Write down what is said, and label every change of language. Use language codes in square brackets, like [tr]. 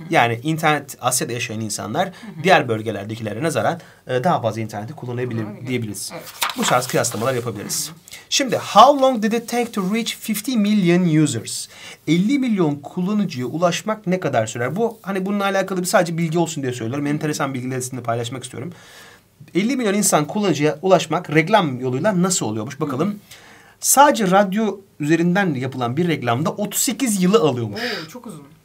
[tr] Yani internet Asya'da yaşayan insanlar diğer bölgelerdekilere nazaran daha fazla interneti kullanabilir diyebiliriz. Evet. Bu tarz kıyaslamalar yapabiliriz. [en] Şimdi how long did it take to reach 50 million users? [tr] 50 milyon kullanıcıya ulaşmak ne kadar sürer? Bu hani bununla alakalı bir sadece bilgi olsun diye söylüyorum. Enteresan bilgileri sizinle paylaşmak istiyorum. 50 milyon insan kullanıcıya ulaşmak reklam yoluyla nasıl oluyormuş bakalım. Sadece radyo üzerinden yapılan bir reklamda 38 yılı alıyormuş. Oo, çok uzun.